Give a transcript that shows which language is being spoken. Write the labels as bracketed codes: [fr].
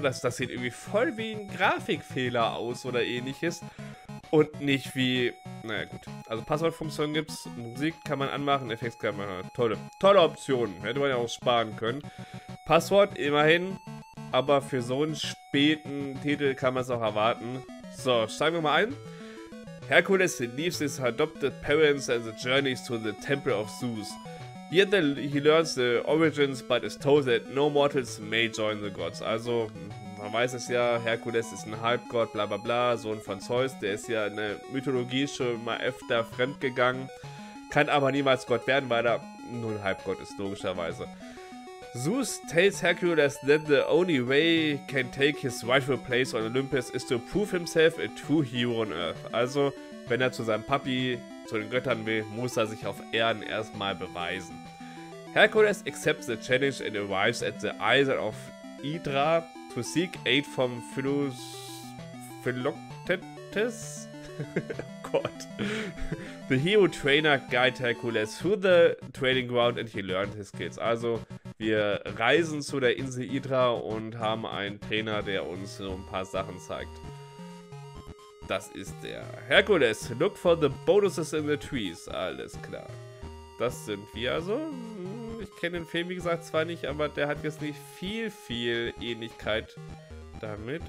[de] Das sieht irgendwie voll wie ein Grafikfehler aus oder ähnliches. Und nicht wie, naja gut, also Passwortfunktion gibt's, Musik kann man anmachen, Effekte kann man, tolle Option, hätte man ja auch sparen können. Passwort immerhin, aber für so einen späten Titel kann man es auch erwarten. So, steigen wir mal ein. [en] Hercules leaves his adopted parents and the journeys to the Temple of Zeus. Here he learns the origins, but is told that no mortals may join the gods. [de] Also, man weiß es ja, Herkules ist ein Halbgott, bla bla bla, Sohn von Zeus, der ist ja in der Mythologie schon mal öfter fremdgegangen, kann aber niemals Gott werden, weil er nur ein Halbgott ist, logischerweise. [en] Zeus tells Hercules that the only way he can take his rightful place on Olympus is to prove himself a true hero on Earth. [de] Also, wenn er zu seinem Papi, zu den Göttern will, muss er sich auf Erden erstmal beweisen. [en] Hercules accepts the challenge and arrives at the Isle of Hydra, to seek aid from Philoctetes? Gott. The hero trainer guides Hercules through the training ground and he learns his skills. [de] Also, wir reisen zu der Insel Hydra und haben einen Trainer, der uns so ein paar Sachen zeigt. Das ist der Hercules. [en] Look for the bonuses in the trees. [de] Alles klar. Das sind wir also. Ich kenne den Film, wie gesagt, zwar nicht, aber der hat jetzt nicht viel, viel Ähnlichkeit damit.